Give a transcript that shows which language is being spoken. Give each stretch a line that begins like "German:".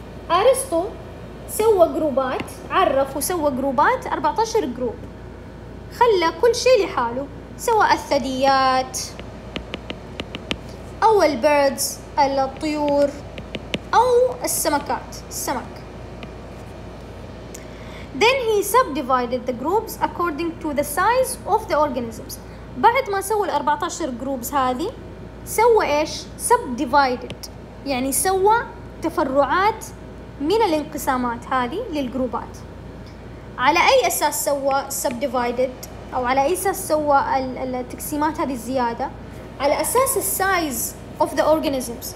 Arabic: أرسطو سوى جروبات، عرف وسوى جروبات 14 جروب، خلى كل شيء لحاله، سوى الثدييات أو البيردز الطيور أو السمكات السمك.
English: Then he subdivided the groups according to the size of the organisms.
Arabic: بعد ما سوى الأربعتاشر groups هذه، سوى إيش؟ Subdivided. يعني سوى تفرعات من الانقسامات هذه للجروبات. على أي أساس سوى subdivided؟ أو على أي أساس سوى التقسيمات هذه الزيادة؟ على أساس
English: the size of the organisms.